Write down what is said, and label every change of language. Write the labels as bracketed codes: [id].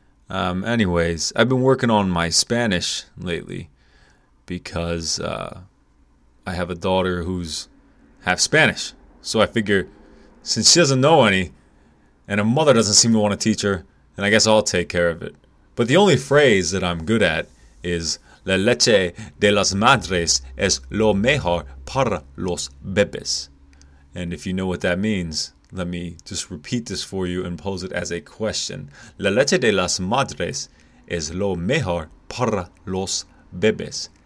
[en] Anyways, I've been working on my Spanish lately because I have a daughter who's half Spanish. So I figure, since she doesn't know any, and her mother doesn't seem to want to teach her, then I guess I'll take care of it. But the only phrase that I'm good at is, [es] "La leche de las madres es lo mejor para los bebés." [en] And if you know what that means, let me just repeat this for you and pose it as a question. [es] "La leche de las madres es lo mejor para los bebés.